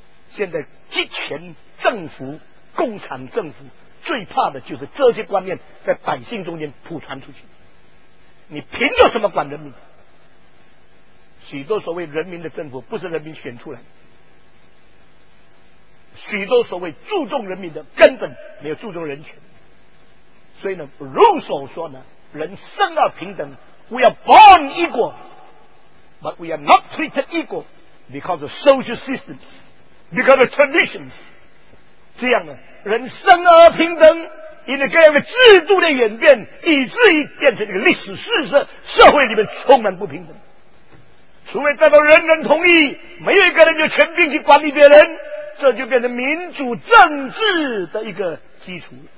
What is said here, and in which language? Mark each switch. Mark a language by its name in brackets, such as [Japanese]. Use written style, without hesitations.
[Chinese] 现在集权政府、共产政府最怕的就是这些观念在百姓中间普传出去，你凭有什么管人民？许多所谓人民的政府不是人民选出来的，许多所谓注重人民的根本没有注重人权。所以呢，卢梭说呢，人生而平等， [English] We are born equal, but we are not treated equal because of social systems, because of traditions. [Chinese] 这样的人生而平等，因为各样的制度的演变，以至于变成一个历史事实，社会里面充满不平等。除非得到人人同意，没有一个人有权柄去管理别人，这就变成民主政治的一个基础。